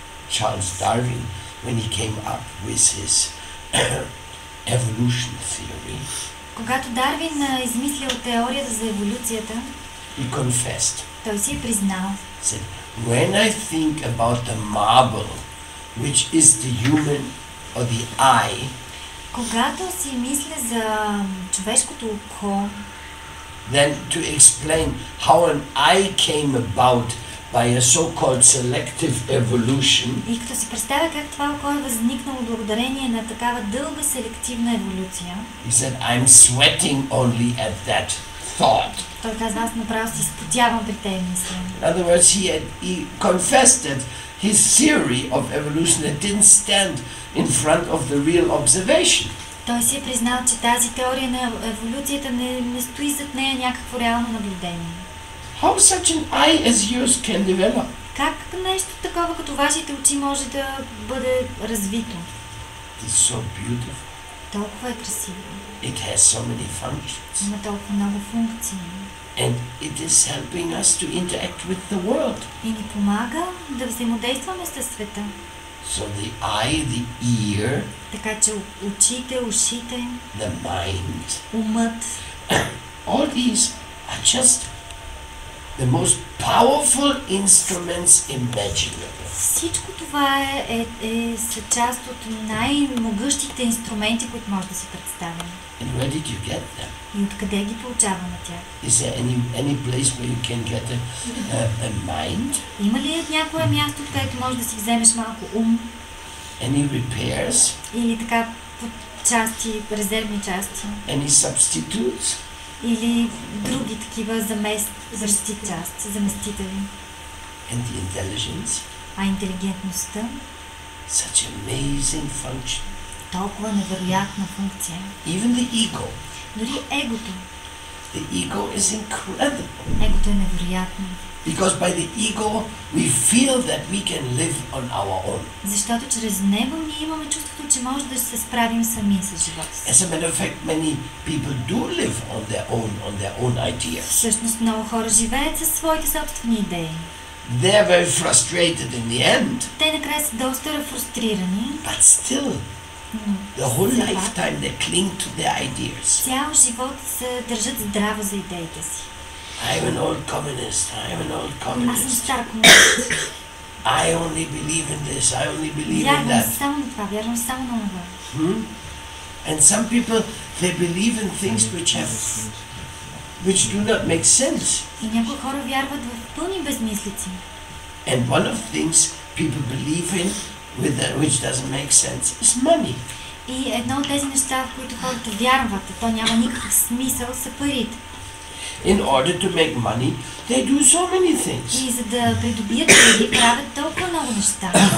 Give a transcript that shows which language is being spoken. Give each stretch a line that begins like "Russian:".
English: Charles Darwin, when he came up with his evolution theory,
Bulgarian: когато Дарвин измислил теорията за еволюцията,
English: he confessed,
Bulgarian: той си е признал,
English: said, when I think about the marble, which is the human or the eye,
Bulgarian: когато си мисля за човешкото око,
English: then to explain how an eye came about by a so-called selective evolution,
Bulgarian: и като си представя как това око е възникнало благодарение на такава дълга селективна еволюция,
English: he said, I'm sweating only at that thought.
Bulgarian: Той каза, аз направо си спотявам при тези мисли.
English: In other words, he confessed that his theory of evolution that didn't stand in front of the real observation.
Bulgarian: Той си е признал, че тази теория на еволюцията не стои зад нея някакво реално наблюдение.
English: How such an eye as yours can develop?
Bulgarian: Как нещо такова като вашите очи може да бъде развито?
English: It is so beautiful.
Bulgarian: Толкова е красиво.
English: It has so many functions.
Bulgarian: Има толкова много функции.
English: And it is helping us to interact with the world.
Bulgarian: И ни помага да взаимодействаме с света.
English: So the eye, the ear,
Bulgarian: така че очите, ушите,
English: the mind,
Bulgarian: умът,
English: all these are just the most powerful instruments imaginable.
Bulgarian: Всичко това е са част от най-могъщите инструменти, които може да си представим.
English: And where did you get them?
Bulgarian: И откъде ги получаваме тях?
English: Is there any place where you can get a mind?
Bulgarian: Има ли някое място, където можеш да си вземеш малко ум?
English: Any repairs?
Bulgarian: Или така части, резервни части?
English: Any substitutes?
Bulgarian: Или други такива заместители?
English: And the intelligence?
Bulgarian: А интелигентността?
English: Such amazing function.
Bulgarian: Толкова невероятна функция.
English: Even the ego.
Bulgarian: Дори егото.
English: The ego is incredible.
Bulgarian: Егото е невероятно.
English: Because by the ego we feel that we can live on our own.
Bulgarian: Защото чрез него ние имаме чувството, че може да се справим сами с живота си.
English: As a matter of fact, many people do live on their own ideas.
Bulgarian: Всъщност много хора живеят със своите собствени идеи.
English: They are very frustrated in the end.
Bulgarian: Те накрая са доста фрустрирани.
English: But still, the whole lifetime they cling to their ideas.
Bulgarian: Цял живот се държат здраво за идеите си.
English: I'm an old communist.
Bulgarian: Аз съм стар комунист.
English: I only believe in this. I only believe in that.
Bulgarian: Вярвам само на това. Вярвам само на това.
English: And some people they believe in things which do not make sense.
Bulgarian: И някои хора вярват в пълни безмислици.
English: And one of things people believe in with that which doesn't make sense is money.
Bulgarian: И едно от тези неща, в които хората вярват, то няма никакъв смисъл, са парите.
English: In order to make money, they do so many things.
Bulgarian: И за да придобият пари, правят толкова много неща.